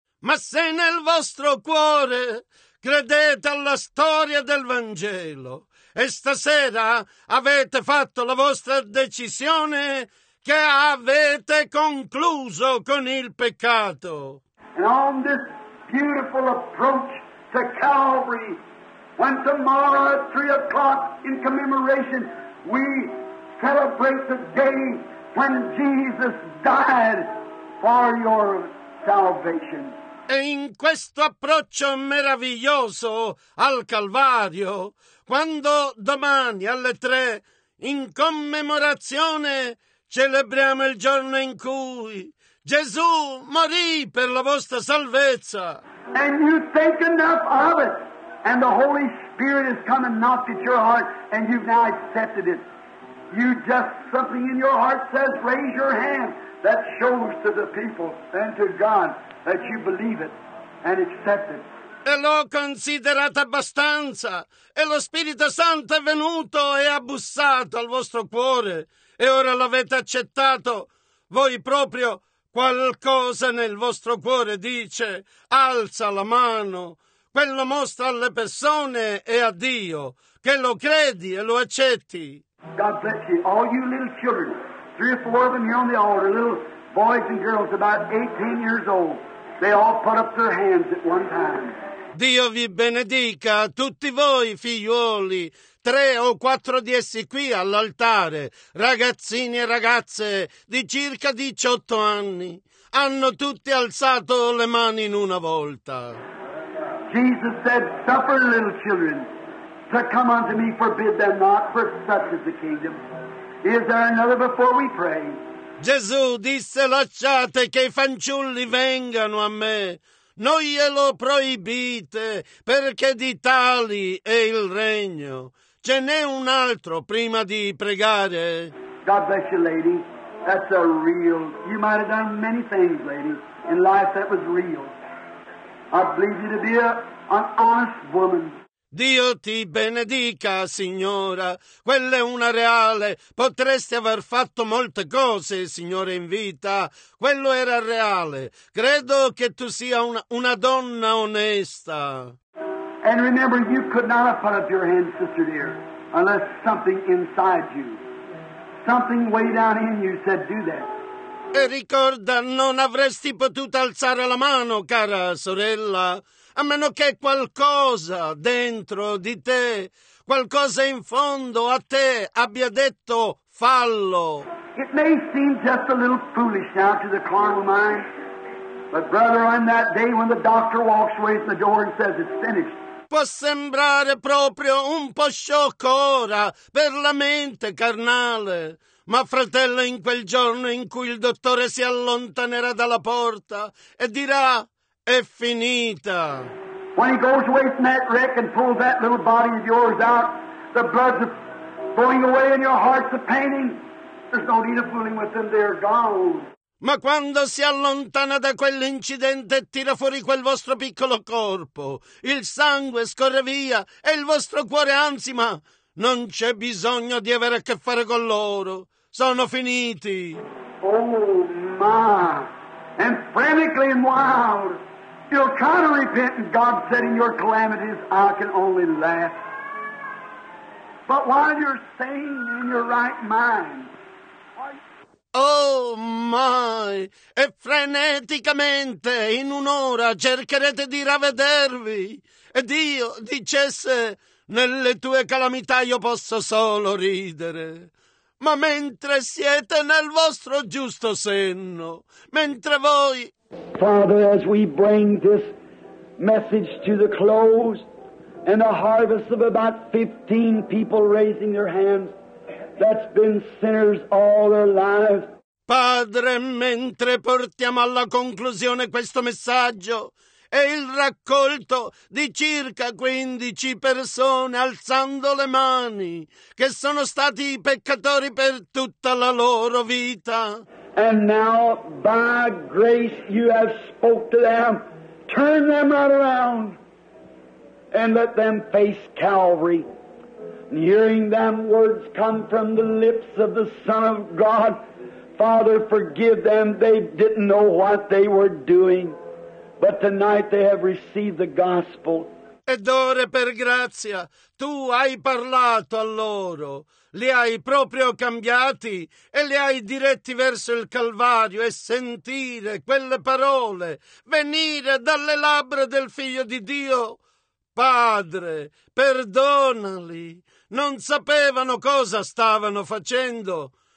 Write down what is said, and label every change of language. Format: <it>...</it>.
<it>Ma se nel vostro cuore credete alla storia del Vangelo e stasera avete fatto la vostra decisione che avete concluso con il peccato.</it> <en>And on this beautiful approach to Calvary, when tomorrow at 3 o'clock in commemoration we celebrate the day when Jesus died for your salvation.</en> <it>E in questo approccio meraviglioso al Calvario, quando domani alle 3 in commemorazione celebriamo il giorno in cui Gesù morì per la vostra salvezza.</it> <en>And you think enough of it, and the Holy Spirit has come and knocked at your heart, and you've now accepted it. You just, something in your heart says, raise your hand. That shows to the people and to God that you believe it and accept it.</en> <it>E l'ho considerata abbastanza. E lo Spirito Santo è venuto e ha bussato al vostro cuore. E ora l'avete accettato. Voi proprio qualcosa nel vostro cuore dice, alza la mano. Quello mostra alle persone e a Dio che lo credi e lo accetti.</it> <en>God bless you, all you little children, 3 or 4 of them here on the altar, little boys and girls about 18 years old, they all put up their hands at one time.</en> <it>Dio vi benedica, tutti voi figlioli, 3 o 4 di essi qui all'altare, ragazzini e ragazze di circa 18 anni, hanno tutti alzato le mani in una volta.</it> <en>Jesus said, suffer little children to come unto me, forbid them not, for such is the kingdom. Is there another before we pray?</en> <it>Gesù disse, lasciate che i fanciulli vengano a me. Non glielo proibite, perché di tali è il regno. Ce n'è un altro prima di pregare.</it> <en>God bless you, lady. That's a real... You might have done many things, lady, in life that was real. I believe you to be an honest woman.</en> <it>Dio ti benedica, signora. Quella è una reale. Potresti aver fatto molte cose, signora, in vita. Quello era reale. Credo che tu sia una donna onesta.</it> <en>And remember, you could not have put up your hand, sister dear, unless something inside you, something way down in you said, do that.</en> <it>E ricorda, non avresti potuto alzare la mano, cara sorella, a meno che qualcosa dentro di te, qualcosa in fondo a te, abbia detto fallo.</it> <en>It may seem just a little foolish now to the carnal mind, but brother, on that day when the doctor walks away from the door and says it's finished.</en> <it>Può sembrare proprio un po' sciocco ora per la mente carnale, ma fratello, in quel giorno in cui il dottore si allontanerà dalla porta e dirà, è finita.</it> <en>When he goes away from that wreck and pulls that little body of yours out, the blood's going away and your heart's a painting. There's no need of fooling with them, they're gone.</en> <it>ma quando si allontana da quell'incidente e tira fuori quel vostro piccolo corpo, il sangue scorre via e il vostro cuore ansima. Non c'è bisogno di avere a che fare con loro. Sono finiti. Oh, ma!</it> <en>And frantically and wild, you'll try to repent and God said in your calamities, I can only laugh. But while you're sane in your right mind, oh, my!</en> <it>E freneticamente, in un'ora, cercherete di ravvedervi. E Dio dicesse, nelle tue calamità io posso solo ridere. Ma mentre siete nel vostro giusto senno, mentre voi...</it> <en>Father, as we bring this message to the close, and a harvest of about 15 people raising their hands, that's been sinners all their lives,</en> <it>Padre, mentre portiamo alla conclusione questo messaggio e il raccolto di circa 15 persone alzando le mani che sono stati i peccatori per tutta la loro vita.</it> <en>And now, by grace, you have spoke to them. Turn them around and let them face Calvary. And hearing them words come from the lips of the Son of God, Father, forgive them. They didn't know what they were doing, but tonight they have received the gospel.</en> <it>Ed ora per grazia, tu hai parlato a loro, li hai proprio cambiati e li hai diretti verso il Calvario e sentire quelle parole venire dalle labbra del Figlio di Dio. Padre, perdonali, non sapevano cosa stavano facendo.</it>